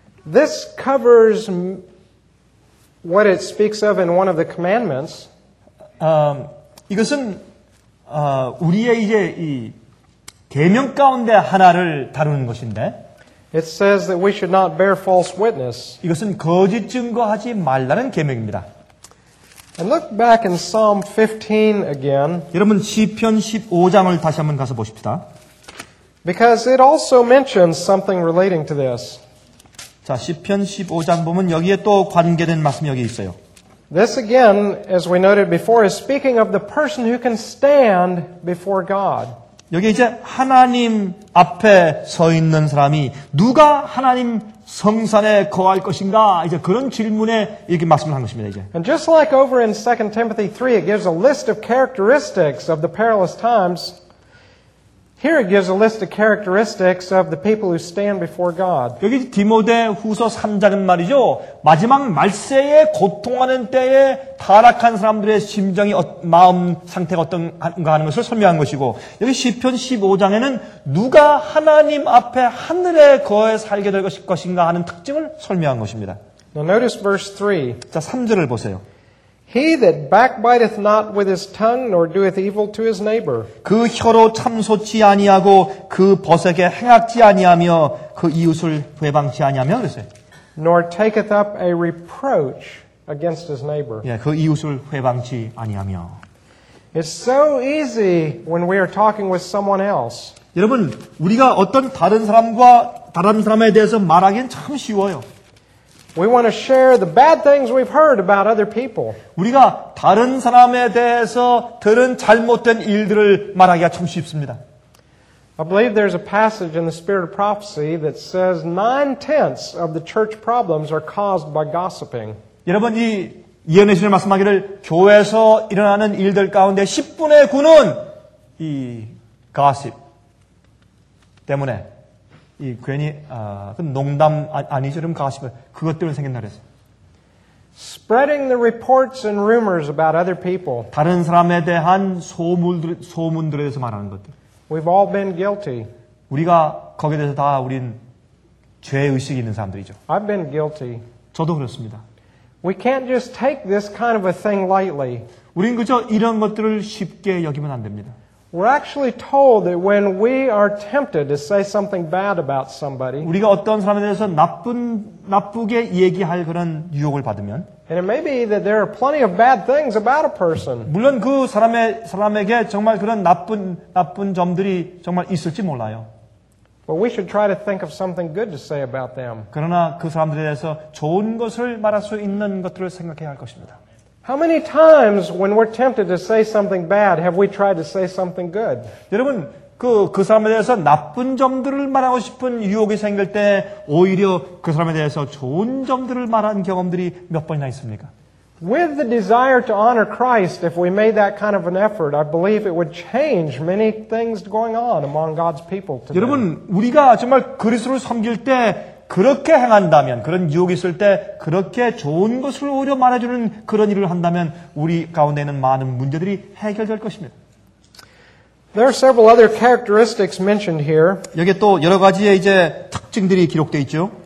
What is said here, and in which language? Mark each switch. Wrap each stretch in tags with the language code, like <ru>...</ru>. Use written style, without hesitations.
<en>This covers what it speaks of in one of the commandments.</en> <ko>이것은 우리의 이제 이 계명 가운데 하나를 다루는 것인데</ko> <en>It says that we should not bear false witness.</en> <ko>이것은 거짓 증거하지 말라는 계명입니다.</ko> <en>And look back in Psalm 15 again.</en> <ko>여러분 시편 15장을 다시 한번 가서 보십시다.</ko> <en>Because it also mentions something relating to this.</en> <ko>자, 시편 15장 보면 여기에 또 관계된 말씀이 여기 있어요.</ko> <en>This again, as we noted before, is speaking of the person who can stand before God.</en> <ko>여기 이제 하나님 앞에 서 있는 사람이 누가 하나님 성산에 거할 것인가? 이제 그런 질문에 이렇게 말씀을 한 것입니다. 이제.</ko> <en>And just like over in 2 Timothy 3, it gives a list of characteristics of the perilous times. Here it gives a list of characteristics of the people who stand before God.</en> <ko>여기 디모데 후서 3장은 말이죠. 마지막 말세에 고통하는 때에 타락한 사람들의 심정이 마음 상태가 어떤가 하는 것을 설명한 것이고 여기 시편 15장에는 누가 하나님 앞에 하늘에 거해 살게 될 것인가 하는 특징을 설명한 것입니다.</ko> <en>Now notice verse 3.</en> <ko>자, 3절을 보세요.</ko> <en>He that backbiteth not with his tongue, nor doeth evil to his neighbor.</en> <ko>그 혀로 참소치 아니하고 그 벗에게 행악지 아니하며 그 이웃을 회방치 아니하며 그랬어요.</ko> <en>Nor taketh up a reproach against his neighbor.</en> <ko>예, 그 이웃을 회방치 아니하며.</ko> <en>It's so easy when we are talking with someone else.</en> <ko>여러분, 우리가 어떤 다른 사람과 다른 사람에 대해서 말하기엔 참 쉬워요.</ko> <en>We want to share the bad things we've heard about other people.</en> <ko>우리가 다른 사람에 대해서 들은 잘못된 일들을 말하기가 참 쉽습니다.</ko> <en>I believe there's a passage in the Spirit of Prophecy that says 9/10 of the church problems are caused by gossiping.</en> <ko>여러분 이 예언의 신을 말씀하기를 교회에서 일어나는 일들 가운데 10분의 9는 이 gossip 때문에 이 괜히 그 농담 아니죠, 좀 가십을 그것 때문에 생긴 날에서.</ko> <en>Spreading the reports and rumors about other people.</en> <ko>다른 사람에 대한 소문들에 대해서 말하는 것들.</ko> <en>We've all been guilty.</en> <ko>우리가 거기에 대해서 다 우린 죄 의식이 있는 사람들이죠.</ko> <en>I've been guilty.</en> <ko>저도 그렇습니다.</ko> <en>We can't just take this kind of a thing lightly.</en> <ko>우린 그저 이런 것들을 쉽게 여기면 안 됩니다.</ko> <en>We're actually told that when we are tempted to say something bad about somebody,</en> <ko>우리가 어떤 사람에 대해서 나쁘게 얘기할 그런 유혹을 받으면,</ko> <en>and it may be that there are plenty of bad things about a person.</en> <ko>물론 그 사람에게 정말 그런 나쁜 점들이 정말 있을지 몰라요.</ko> <en>But we should try to think of something good to say about them.</en> <ko>그러나 그 사람들에 대해서 좋은 것을 말할 수 있는 것들을 생각해야 할 것입니다.</ko> <en>How many times when we're tempted to say something bad have we tried to say something good?</en> <ko>여러분, 그 사람에 대해서 나쁜 점들을 말하고 싶은 유혹이 생길 때 오히려 그 사람에 대해서 좋은 점들을 말한 경험들이 몇 번이나 있습니까?</ko> <en>With the desire to honor Christ, if we made that kind of an effort, I believe it would change many things going on among God's people today.</en> <ko>여러분, 우리가 정말 그리스도를 섬길 때 그렇게 행한다면, 그런 유혹이 있을 때 그렇게 좋은 것을 오히려 말해주는 그런 일을 한다면 우리 가운데는 많은 문제들이 해결될 것입니다.</ko> <en>There are several other characteristics mentioned here.</en> <ko>여기 또 여러 가지의 이제 특징들이 기록되어 있죠.</ko>